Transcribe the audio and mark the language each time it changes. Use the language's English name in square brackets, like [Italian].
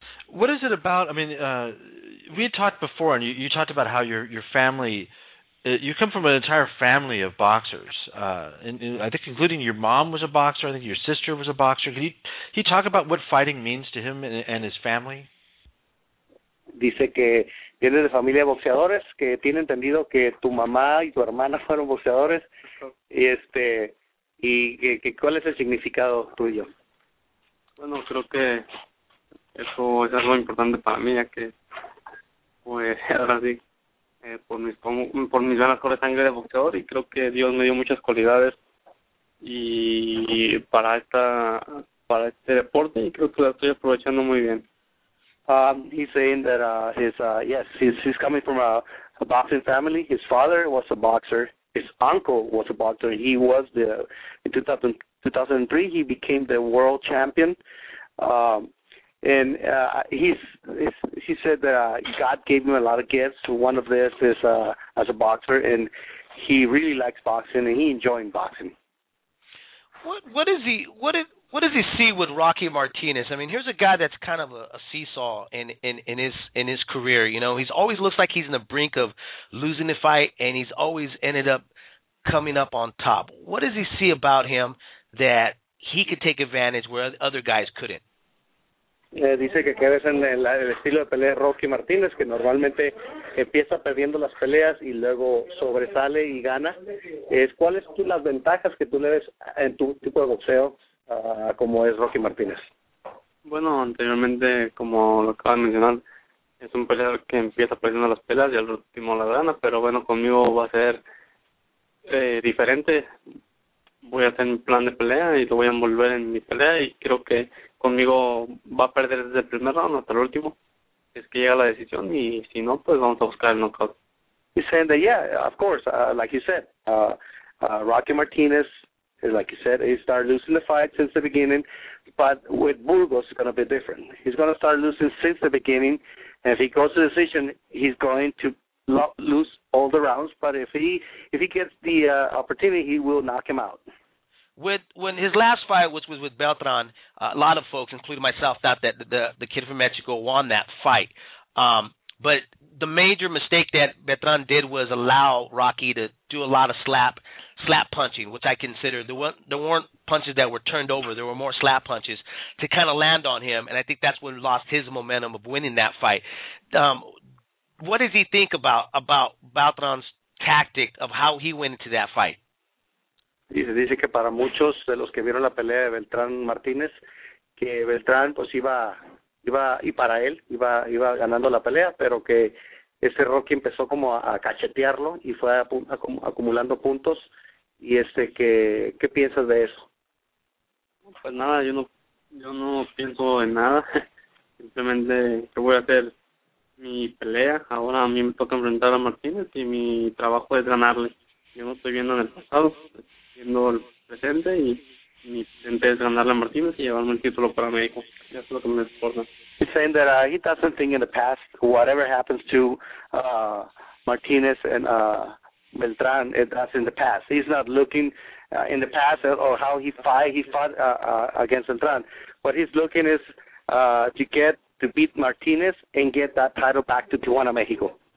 [English] What is it about? I mean, we had talked before, and you talked about how your family. You come from an entire family of boxers, and I think including your mom was a boxer. I think your sister was a boxer. Can he talk about what fighting means to him and his family? [Spanish] Dice que viene de familia de boxeadores, que tiene entendido que tu mamá y tu hermana fueron boxeadores, y que ¿cuál es el significado tuyo? Bueno, creo que eso es algo importante para mí, ya que pues ahora sí. Por mis venas corre sangre de boxeador y creo que Dios me dio muchas cualidades y para este deporte y creo que la estoy aprovechando muy bien. [English] He's saying that he's coming from a boxing family. His father was a boxer. His uncle was a boxer. He was in 2003 he became the world champion. He said that God gave him a lot of gifts. One of this is as a boxer, and he really likes boxing and he enjoys boxing. What does he see with Rocky Martinez? I mean, here's a guy that's kind of a seesaw in his career. You know, he's always looks like he's in the brink of losing the fight, and he's always ended up coming up on top. What does he see about him that he could take advantage where other guys couldn't? [Spanish] Dice que quedes en el estilo de pelea de Rocky Martínez, que normalmente empieza perdiendo las peleas y luego sobresale y gana. ¿Cuáles son las ventajas que tú le ves en tu tipo de boxeo como es Rocky Martínez? Bueno, anteriormente, como lo acabas de mencionar, es un peleador que empieza perdiendo las peleas y al último la gana, pero bueno, conmigo va a ser diferente. Voy a hacer un plan de pelea y lo voy a envolver en mi pelea y creo que conmigo va a perder desde el primer round hasta el último. Es que llega la decisión y si no, pues vamos a buscar el knockout. [English] He's saying that, yeah, of course, like you said, Rocky Martinez, like you said, he started losing the fight since the beginning, but with Burgos, it's going to be different. He's going to start losing since the beginning, and if he goes to the decision, he's going to lose all the rounds, but if he gets the opportunity, he will knock him out. When his last fight, which was with Beltran, a lot of folks, including myself, thought that the kid from Mexico won that fight. But the major mistake that Beltran did was allow Rocky to do a lot of slap punching, which I consider there weren't punches that were turned over. There were more slap punches to kind of land on him, and I think that's what lost his momentum of winning that fight. What does he think about Beltran's tactic of how he went into that fight? [Spanish] Dice que para muchos de los que vieron la pelea de Beltrán Martínez, que Beltrán pues iba y para él iba ganando la pelea, pero que ese Rocky empezó como a cachetearlo y fue acumulando puntos. Y ¿qué piensas de eso? Pues nada, yo no pienso en nada. simplemente yo voy a hacer mi pelea. Ahora a mí me toca enfrentar a Martínez y mi trabajo es ganarle. Yo no estoy viendo en el pasado, estoy viendo el presente y mi intento es ganarle a Martínez y llevarme el título para México. Eso es lo que me importa. [English] He's saying that he doesn't think in the past whatever happens to Martínez and Beltrán, it does in the past. He's not looking in the past or how he fought against Beltrán. What he's looking is to beat Martínez and get that title back to Tijuana, Mexico.